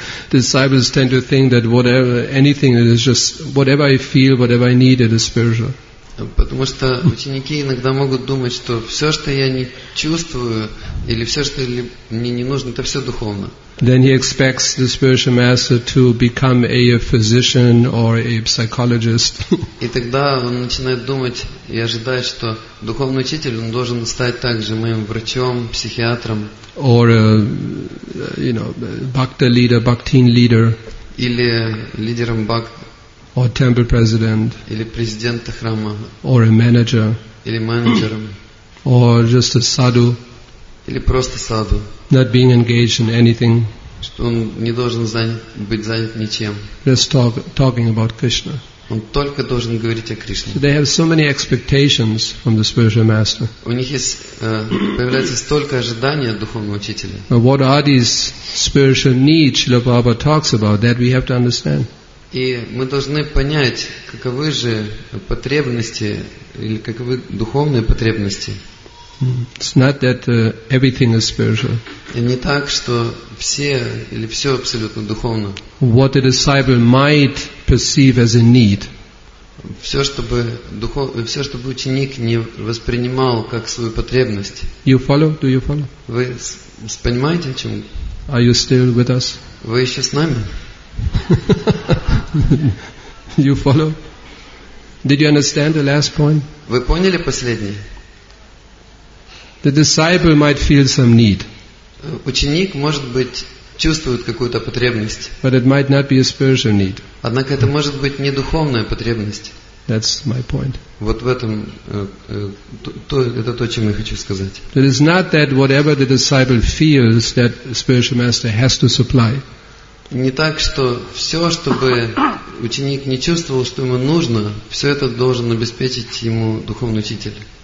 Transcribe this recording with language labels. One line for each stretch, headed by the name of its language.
English: Disciples tend to think that whatever, anything is just whatever I feel, whatever I need, it is spiritual.
Russian: Потому что ученики иногда могут думать, что все, что я не чувствую, или все, что мне не нужно, это все духовно.
English: Then he expects the spiritual master to become a physician or a psychologist.
Russian: И тогда он начинает думать и ожидает, что духовный учитель он должен стать также моим врачом, психиатром.
English: Or a, you know, bhakti leader, bhaktin leader.
Russian: Или лидером бак.
English: Or temple president.
Russian: Или президента храма.
English: Or a manager.
Russian: Или менеджером.
English: Or just a sadhu.
Russian: Или просто саду.
English: Not being engaged in anything.
Russian: Что он не должен быть занят ничем.
English: Just talking about Krishna.
Russian: Он только должен говорить о Кришне.
English: So they have so many expectations from the spiritual master.
Russian: У них есть появляется столько ожиданий от духовного учителя.
English: But what are these spiritual needs Srila Prabhupada talks about that we have to understand?
Russian: И мы должны понять, каковы же потребности или каковы духовные потребности.
English: It's not that everything is spiritual.
Russian: И не так, что все или все абсолютно духовно.
English: What a disciple might perceive as a need.
Russian: Все, чтобы ученик не воспринимал как свою потребность.
English: You follow? Do you follow?
Russian: Вы понимаете, о чем?
English: Are you still with us?
Russian: Вы еще с нами?
English: You follow? Did you understand the last point?
Russian: Вы поняли последнее?
English: The disciple might feel some need.
Russian: Ученик, может быть, чувствует какую-то потребность.
English: But it might not be a spiritual need.
Russian: Однако это может быть не духовная потребность.
English: That's my point.
Russian: Вот в этом это то, чем я хочу сказать.
English: It is not that whatever the disciple feels that spiritual master has to supply.
Russian: Не так, что все, чтобы ученик не чувствовал, что ему нужно, все это должен обеспечить ему духовный учитель.